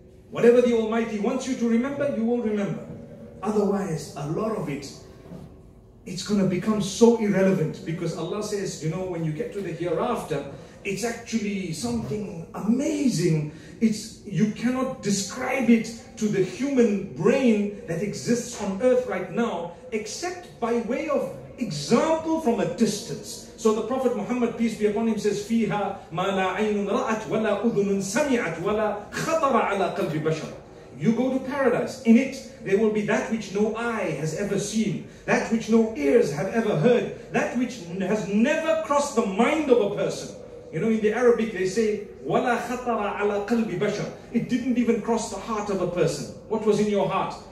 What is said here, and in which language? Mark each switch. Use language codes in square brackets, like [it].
[en] Whatever the Almighty wants you to remember, you will remember. Otherwise, a lot of it, it's going to become so irrelevant, because Allah says, you know, when you get to the hereafter, it's actually something amazing. You cannot describe it to the human brain that exists on earth right now, except by way of example from a distance. So the Prophet Muhammad, peace be upon him, says, [ar] فِيهَا مَا لَا عَيْنٌ رَأَتْ وَلَا أُذُنٌ سَمِعَتْ وَلَا خَطَرَ عَلَى قَلْبِ بَشَرٍ. [en] You go to paradise. In it, there will be that which no eye has ever seen, that which no ears have ever heard, that which has never crossed the mind of a person. You know, in the Arabic, they say, [ar] وَلَا خَطَرَ عَلَى قَلْبِ بَشَرٍ. [en] It didn't even cross the heart of a person. What was in your heart?